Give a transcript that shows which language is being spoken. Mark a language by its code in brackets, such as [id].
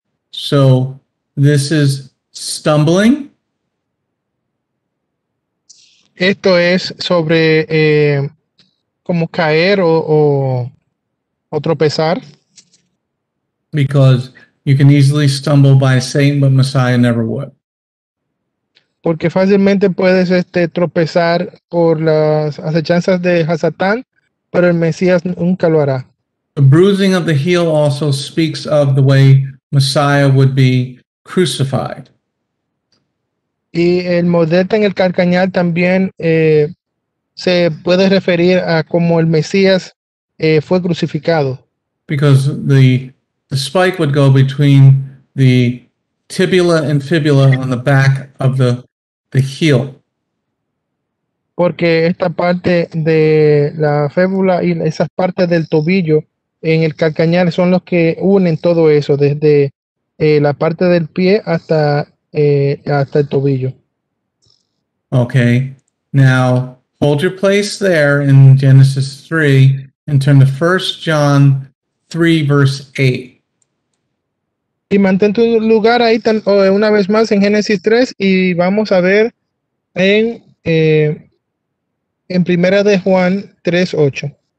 [en] So this is stumbling. [es] Esto es sobre como caer o tropezar. [en] Because you can easily stumble by Satan, but Messiah never would. [es] Porque fácilmente puedes tropezar por las acechanzas de Satán, pero el Mesías nunca lo hará. [en] The bruising of the heel also speaks of the way Messiah would be crucified. [es] Y el morderte en el calcañal también se puede referir a cómo el Mesías fue crucificado. [en] Because the spike would go between the tibia and fibula on the back of the heel. [es] Porque esta parte de la fémula y esas partes del tobillo en el calcañal son los que unen todo eso, desde la parte del pie hasta el tobillo. [en] Okay, now hold your place there in Genesis 3 and turn to 1 John 3 verse 8. [es] Y mantén tu lugar ahí una vez más en Génesis 3 y vamos a ver en Primera de Juan 3:8.